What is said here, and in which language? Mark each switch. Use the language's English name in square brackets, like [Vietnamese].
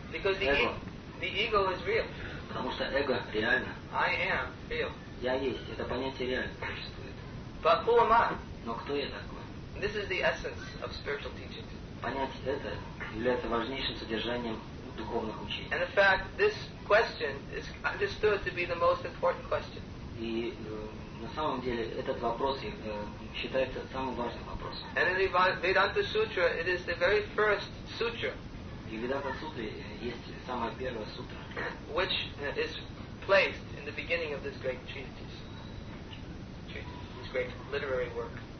[English] Because the ego is real. [Russian] Потому что эго реально. [English] I am real. [Russian] Я есть. Это понятие реально существует. [English] But who am I? [Russian] Но кто я такой? [English] This is the essence of spiritual teachings. [Russian] Понять это является важнейшим содержанием духовных учений. [English] And in fact, this question is understood to be the most important question. [Russian] И на самом деле этот вопрос считается самым важным вопросом. [English] And in the Vedanta Sutra, it is the very first sutra. [Russian] И в Vedanta Sutra есть самая первая сутра, [English] which is placed in the beginning of this great treatise, this great literary work.